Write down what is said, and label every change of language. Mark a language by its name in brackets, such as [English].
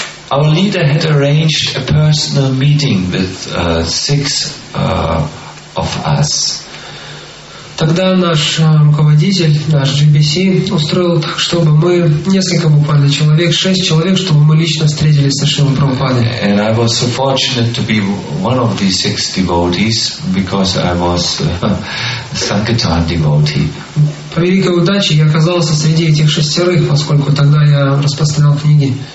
[English] Our leader had arranged a personal meeting with six of us. [Russian] Тогда наш руководитель, наш GBC, устроил так, чтобы мы несколько буквально человек, шесть человек, чтобы мы лично встретились с Шрилой Прабхупадой. [English] And I was so fortunate to be one of these six devotees because I was Sankirtan devotee. [Russian] По великой удаче я оказался среди этих шестерых, поскольку тогда я распространял книги.